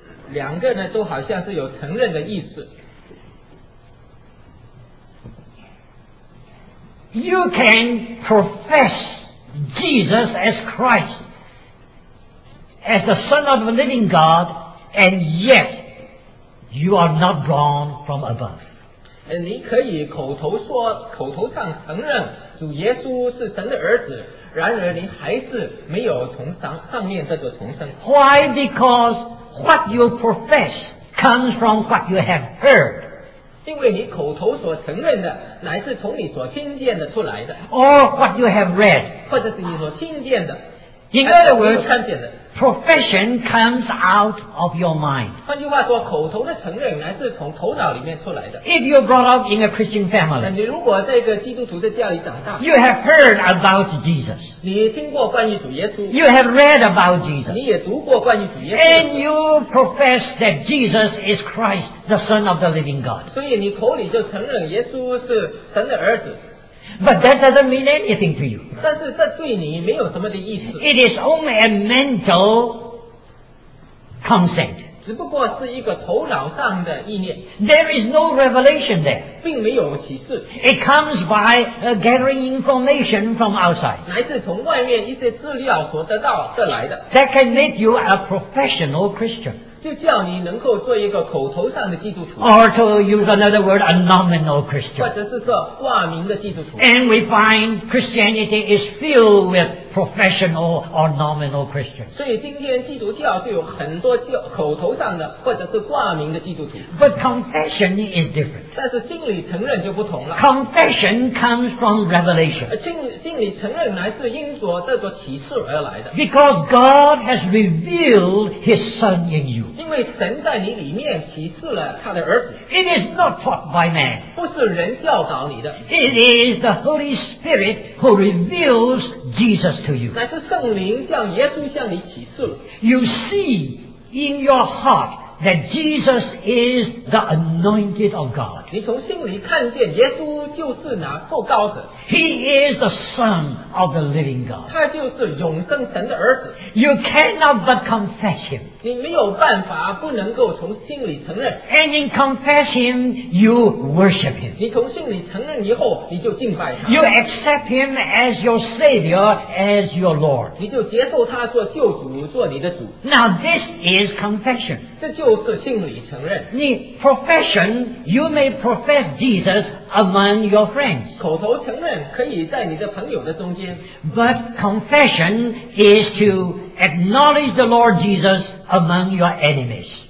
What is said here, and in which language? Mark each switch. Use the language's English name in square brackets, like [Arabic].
[Chinese] 两个呢都好像是有承认的意思。 [English] You can profess Jesus as Christ, as the Son of the living God, and yet you are not born from above. [Chinese] 你可以口头说，口头上承认主耶稣是神的儿子，然而你还是没有从上面这个重生。 [English] Why? Because what you profess comes from what you have heard. [Chinese] 因为你口头所承认的乃是从你所听见的出来的 [English] or what you have read [Chinese] 或者是你所听见的 [English] in other words profession comes out of your mind [Chinese] 换句话说口头的承认乃是从头脑里面出来的 [English] if you're brought up in a Christian family [Chinese] 你如果在一个基督徒的家里长大 [English] you have heard about Jesus [Chinese] 你听过关于主耶稣 [English] you have read about Jesus [Chinese] 你也读过关于主耶稣 [English] and you profess that Jesus is Christ the Son of the living God [Chinese] 所以你口里就承认耶稣是神的儿子 [English] But that doesn't mean anything to you. [Chinese] 但是这对你没有什么的意思。 [English] It is only a mental consent. [Chinese] 只不过是一个头脑上的意念。 [English] There is no revelation there. [Chinese] 并没有启示。 [English] It comes by gathering information from outside. [Chinese] 乃是从外面一些资料所得到得来的。 [English] That can make you a professional Christian. [Chinese] 就叫你能够做一个口头上的基督徒 [English] or to use another word a nominal Christian [Chinese] 或者是说挂名的基督徒 [English] and we find Christianity is filled with professional or nominal Christians [Chinese] 所以今天基督教就有很多口头上的或者是挂名的基督徒 [English] but confession is different [Chinese] 但是心里承认就不同了 [English] confession comes from revelation [Chinese] 心里承认来自因着这个启示而来的 [English] because God has revealed his son in you [Chinese] 因为神在你里面启示了他的儿子 [English] It is not taught by man [Chinese] 不是人教导你的 [English] It is the Holy Spirit who reveals Jesus to you [Chinese] 乃是圣灵向耶稣向你启示了 [English] You see in your heart that Jesus is the anointed of God [Chinese] 你从心里看见耶稣就是那受膏者 [English] He is the Son of the living God [Chinese] 他就是永生神的儿子 [English] You cannot but confess him [Chinese] 你没有办法不能够从心里承认。 [English] And in confessing, you worship him. [Chinese] 你从心里承认以后，你就敬拜他。 [English] You accept him as your savior, as your Lord. [Chinese] 你就接受他做救主，做你的主。 [English] Now this is confession. [Chinese] 这就是心里承认。你 [English] profession, you may profess Jesus among your friends. [Chinese] 口头承认可以在你的朋友的中间。 [English] But confession is to acknowledge the Lord Jesus among your enemies.